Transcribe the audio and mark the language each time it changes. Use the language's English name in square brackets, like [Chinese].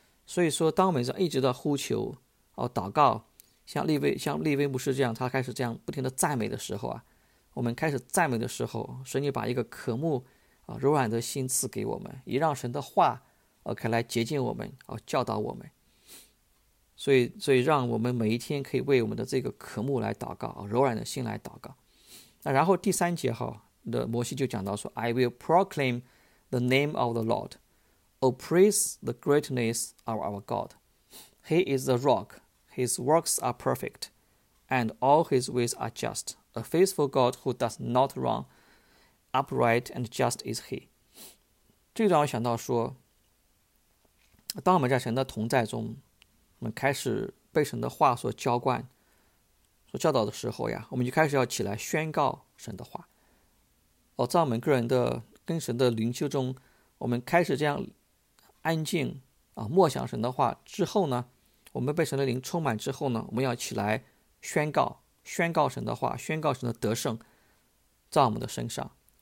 [Chinese] 所以说当我们一直的呼求、哦、祷告，像立威牧师这样，他开始这样不停的赞美的时候啊，我们开始赞美的时候，神就把一个渴慕、哦、柔软的心赐给我们，也让神的话、哦、可以来洁净我们、哦、教导我们。所以让我们每一天可以为我们的这个渴慕来祷告，柔软的心来祷告。那然后第三节哈，那摩西就讲到说 [English] I will proclaim the name of the Lord. Oh, praise the greatness of our God. He is the rock. His works are perfect. And all his ways are just. A faithful God who does not wrong. Upright and just is he. [Chinese] 这段我想到说，当我们在神的同在中，我们开始被神的话所浇灌所教导的时候呀，我们就开始要起来宣告神的话、哦、在我们个人的跟神的灵修中，我们开始这样安静、啊、默想神的话之后呢，我们被神的灵充满之后呢，我们要起来宣告，宣告神的话，宣告神的得胜在我们的身上。